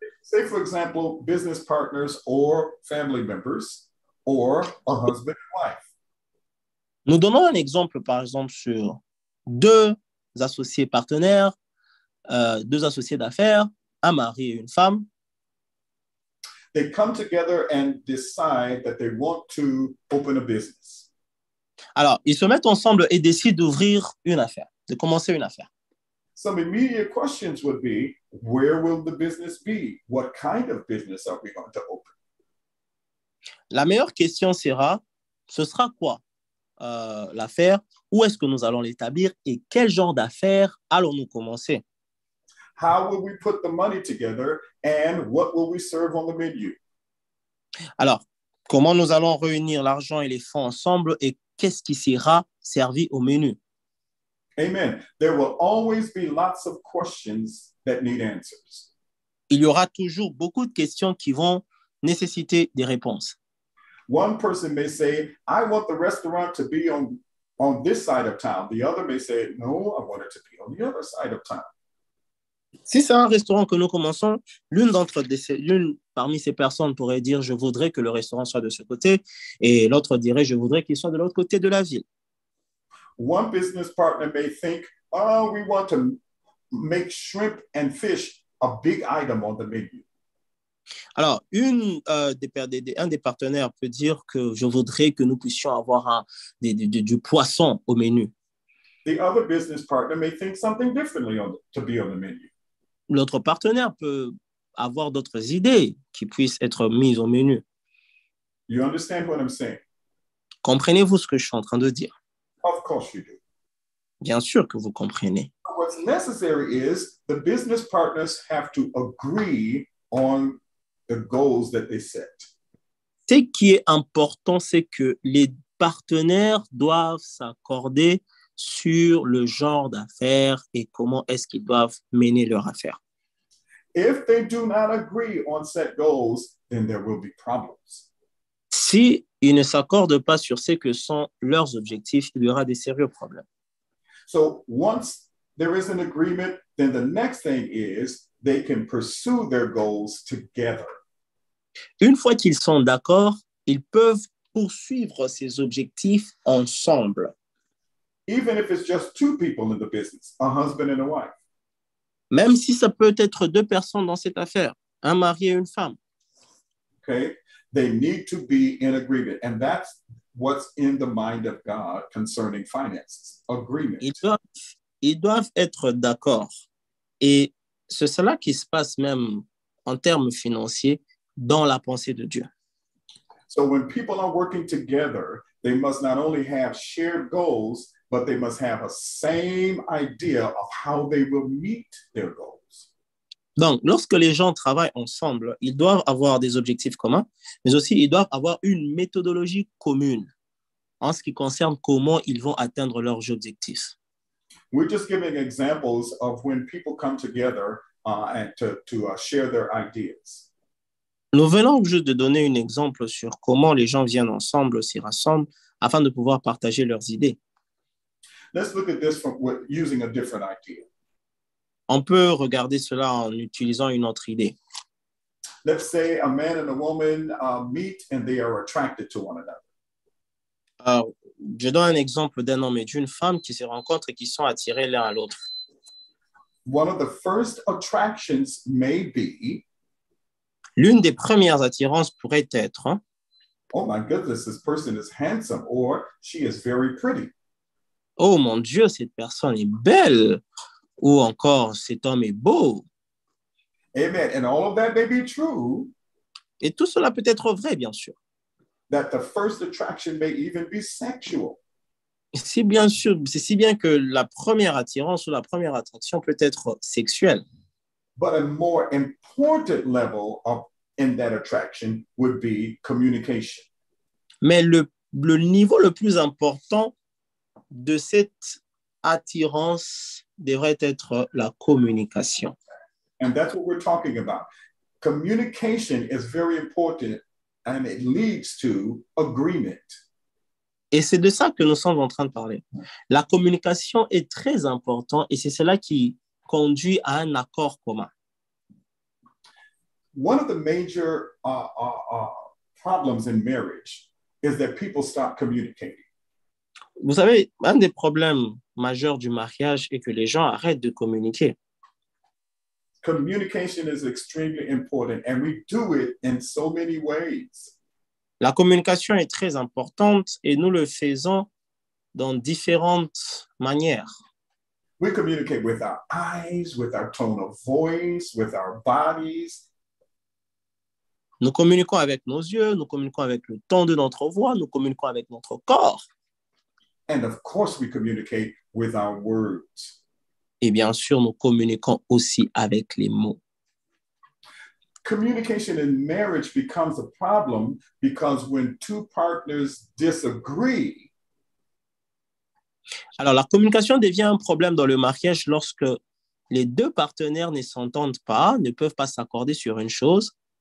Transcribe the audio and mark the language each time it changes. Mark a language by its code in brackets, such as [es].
[en] Say, for example, business partners or family members or a husband and wife. [fr] Nous donnons un exemple, par exemple, sur deux associés partenaires, deux associés d'affaires, un mari et une femme. [en] They come together and decide that they want to open a business. [fr] Alors, ils se mettent ensemble et décident d'ouvrir une affaire, de commencer une affaire. [en] Some immediate questions would be, where will the business be? What kind of business are we going to open? [fr] La meilleure question sera, ce sera quoi? L'affaire, où est-ce que nous allons l'établir et quel genre d'affaire allons-nous commencer? [en] How will we put the money together and what will we serve on the menu? [fr] Alors, comment nous allons réunir l'argent et les fonds ensemble et qu'est-ce qui sera servi au menu? [en] Amen. There will always be lots of questions that need answers. [fr] Il y aura toujours beaucoup de questions qui vont nécessiter des réponses. [en] One person may say, I want the restaurant to be on this side of town. The other may say, no, I want it to be on the other side of town. [fr] Si c'est un restaurant que nous commençons, l'une parmi ces personnes pourrait dire, je voudrais que le restaurant soit de ce côté, et l'autre dirait, je voudrais qu'il soit de l'autre côté de la ville. [en] One business partner may think, oh, we want to make shrimp and fish a big item on the menu. [fr] Alors, un des partenaires peut dire que je voudrais que nous puissions avoir du poisson au menu. [en] The other business partner may think something differently to be on the menu. [fr] L'autre partenaire peut avoir d'autres idées qui puissent être mises au menu. [en] You understand what I'm saying? [fr] Comprenez-vous ce que je suis en train de dire? [en] Of course you do. [fr] Bien sûr que vous comprenez. [en] What's necessary is the business partners have to agree on the goals that they set. [fr] Ce qui est important, c'est que les partenaires doivent s'accorder sur le genre d'affaires et comment est-ce qu'ils doivent mener leur affaire. [en] If they do not agree on set goals, then there will be problems. [fr] Si ils ne s'accordent pas sur ce que sont leurs objectifs, il y aura des sérieux problèmes. [en] So once there is an agreement, then the next thing is they can pursue their goals together. [fr] Une fois qu'ils sont d'accord, ils peuvent poursuivre ces objectifs ensemble. [en] Even if it's just two people in the business, a husband and a wife. [fr] Même si ça peut être deux personnes dans cette affaire, un mari et une femme. [en] Okay, they need to be in agreement. And that's what's in the mind of God concerning finances, agreement. [fr] Ils doivent être d'accord. Et c'est cela qui se passe même en termes financiers dans la pensée de Dieu. [en] So when people are working together, they must not only have shared goals, but they must have a same idea of how they will meet their goals. [fr] Donc, lorsque les gens travaillent ensemble, ils doivent avoir des objectifs communs, mais aussi ils doivent avoir une méthodologie commune en ce qui concerne comment ils vont atteindre leurs objectifs. [en] We're just giving examples of when people come together share their ideas. [fr] Nous venons juste de donner un exemple sur comment les gens viennent ensemble, s'y rassemblent, afin de pouvoir partager leurs idées. [en] Let's look at this from using a different idea. [fr] On peut regarder cela en utilisant une autre idée. [en] Let's say a man and a woman meet and they are attracted to one another. [fr] Je donne un exemple d'un homme et d'une femme qui se rencontrent et qui sont attirés l'un à l'autre. [en] One of the first attractions may be. [fr] L'une des premières attirances pourrait être. [en] Oh my goodness, this person is handsome, or she is very pretty. [fr] Oh mon Dieu, cette personne est belle, ou encore cet homme est beau. [en] Amen. And all of that may be true. [fr] Et tout cela peut être vrai, bien sûr. [en] That the first attraction may even be sexual. [fr] C'est bien que la première attirance ou la première attraction peut être sexuelle. [en] But a more important level of in that attraction would be communication. [fr] Mais le niveau le plus important de cette attirance devrait être la communication. [en] And that's what we're talking about. Communication is very important and it leads to agreement. [fr] Et c'est de ça que nous sommes en train de parler. La communication est très importante et c'est cela qui conduit à un accord commun. [en] One of the major problems in marriage is that people stop communicating. [fr] Vous savez, un des problèmes majeurs du mariage est que les gens arrêtent de communiquer. [en] Communication is extremely important and we do it in so many ways. [fr] La communication est très importante et nous le faisons dans différentes manières. [en] We communicate with our eyes, with our tone of voice, with our bodies. [fr] Nous communiquons avec nos yeux, nous communiquons avec le ton de notre voix, nous communiquons avec notre corps. [en] And of course we communicate with our words. [fr] Et bien sûr, nous communiquons aussi avec les mots. [en] Communication in marriage becomes a problem because when two partners disagree. [fr] Alors, la communication devient un problème dans le mariage lorsque les deux partenaires ne s'entendent pas, ne peuvent pas s'accorder sur une chose.